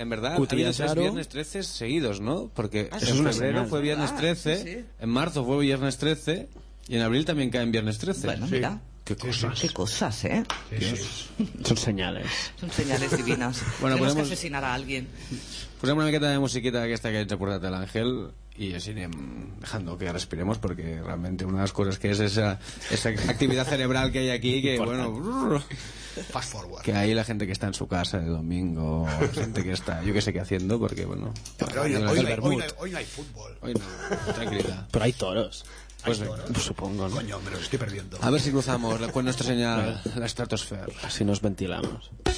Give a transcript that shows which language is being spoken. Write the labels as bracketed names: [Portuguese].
[Spanish] en verdad, ha habido 3 viernes 13 seguidos, ¿no? Porque en febrero fue viernes 13, en marzo fue viernes 13. Y en abril también cae en viernes 13. Bueno, mira. Qué cosas, ¿eh? Dios. Son señales. Son señales divinas. Bueno, tenemos que asesinar a alguien. [Catalan] Posem una miqueta de musiquita aquesta que ens ha portat l'Àngel i així anem [Spanish] dejando que respiremos, [Catalan] perquè realment una de les coses que és esa activitat cerebral que hi ha aquí, que, bueno... [English] Fast forward. [Spanish] Que ahí la gente que está en su casa de domingo, gente que está, yo qué sé qué haciendo, porque, bueno... Pero hoy no hay fútbol. Hoy no, tranquilidad. Pero hay toros. Pues, supongo, ¿no? Coño, me los estoy perdiendo. A ver si cruzamos con nuestra señal la estratosfera. Así nos ventilamos.